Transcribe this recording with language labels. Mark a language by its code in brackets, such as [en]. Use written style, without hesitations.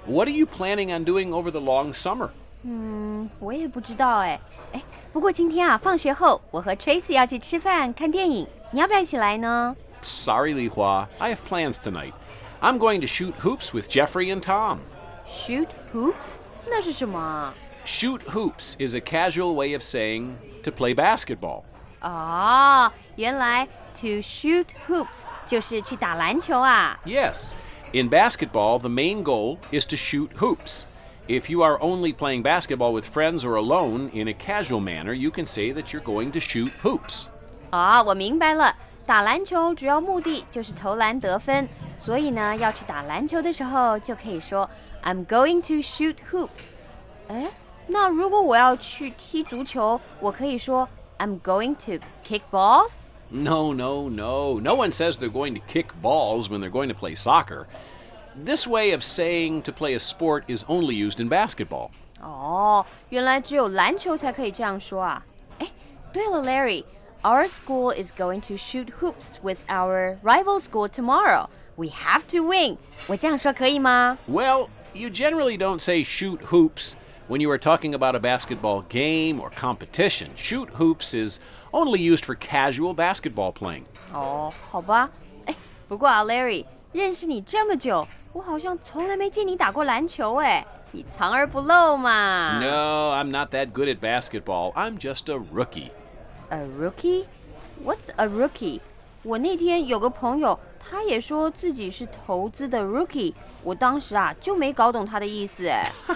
[en] What are you planning on doing over the long summer? [zh] 我也不知道哎。哎，不过今天啊，放学后我和 Tracy 要去吃饭看电影，你要不要一起来呢？ [en] Sorry, Li Hua. I have plans tonight. I'm going to shoot hoops with Jeffrey and Tom. Shoot hoops? [zh] 那是什么啊？ [en] Shoot hoops is a casual way of saying to play basketball. [zh] Oh, 原来 [en] to shoot hoops [zh] 就是去打篮球啊。 [en] Yes, in basketball, the main goal is to shoot hoops. If you are only playing basketball with friends or alone in a casual manner, you can say that you're going to shoot hoops. [zh] Oh, 我明白了。打篮球主要目的就是投篮得分，所以呢，要去打篮球的时候就可以说 [en] I'm going to shoot hoops. [zh] 诶？那如果我要去踢足球，我可以说 [en] I'm going to kick balls? No, no, no. No one says they're going to kick balls when they're going to play soccer. This way of saying to play a sport is only used in basketball. [zh] 原来只有篮球才可以这样说啊。哎，对了 [en] Larry, our school is going to shoot hoops with our rival school tomorrow. We have to win. [zh] 我这样说可以吗？ [en] Well, you generally don't say shoot hoops. When you are talking about a basketball game or competition, shoot hoops is only used for casual basketball playing. [zh] Oh, 好吧。哎，不过啊 ，Larry， 认识你这么久，我好像从来没见你打过篮球哎。你藏而不露嘛。 [en] No, I'm not that good at basketball. I'm just a rookie. A rookie? What's a rookie? [zh] 我那天有个朋友，他也说自己是投资的 rookie， 我当时啊就没搞懂他的意思哎。